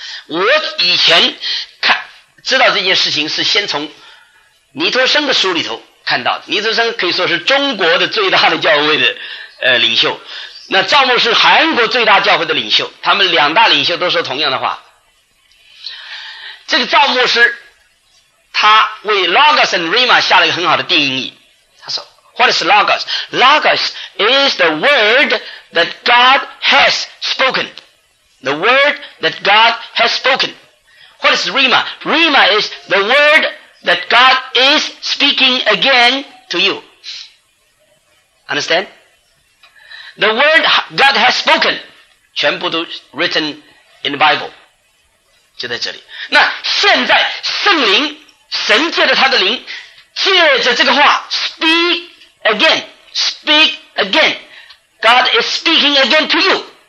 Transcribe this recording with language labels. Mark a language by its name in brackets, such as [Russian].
[Chinese] 我以前看知道这件事情是先从尼托生的书里头看到，尼托生可以说是中国的最大的教会的领袖，那赵牧师韩国最大教会的领袖，他们两大领袖都说同样的话。这个赵牧师他为 Logos and Rhema 下了一个很好的定义，他说 [English] What is Logos? Logos is the word that God has spoken. The word that God has spoken. What is Rhema? Rhema is the word that God is speaking again to you. Understand? The word God has spoken, [Chinese] 全部都 [English] written in the Bible. [Chinese] 就在这里。那现在圣灵，神借着他的灵，借着这个话 [English] speakAgain, speak again. God is speaking again to you.